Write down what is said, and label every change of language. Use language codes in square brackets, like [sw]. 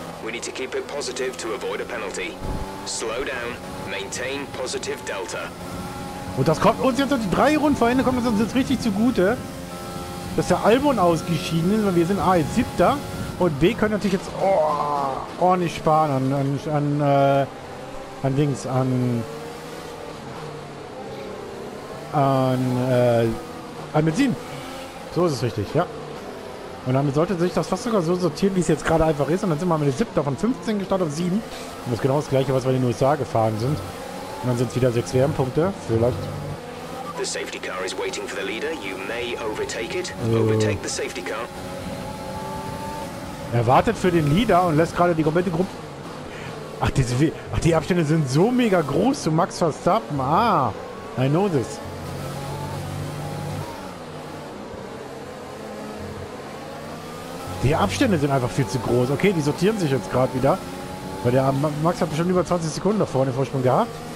[en] We need to keep it positive to avoid a penalty. Slow down. Maintain positive Delta. [de] Und das kommt uns jetzt die drei Runden vor Ende, kommt uns jetzt richtig zugute, dass der Albon ausgeschieden ist, weil wir sind als Siebter. Und B können natürlich jetzt ordentlich sparen an Benzin. So ist es richtig, ja. Und damit sollte sich das fast sogar so sortieren, wie es jetzt gerade einfach ist. Und dann sind wir mit der 7. von 15 gestartet auf 7. Und das ist genau das gleiche, was wir in den USA gefahren sind. Und dann sind es wieder 6 WM-Punkte. Vielleicht. [en] The safety car is waiting for the leader. You may overtake it. Overtake the safety car. [de] Er wartet für den Leader und lässt gerade die komplette Gruppe. Die Abstände sind so mega groß zu Max Verstappen. [en] Ah, I know this. [de] Die Abstände sind einfach viel zu groß. Okay, die sortieren sich jetzt gerade wieder. Weil der Max hat schon über 20 Sekunden davor den Vorsprung gehabt.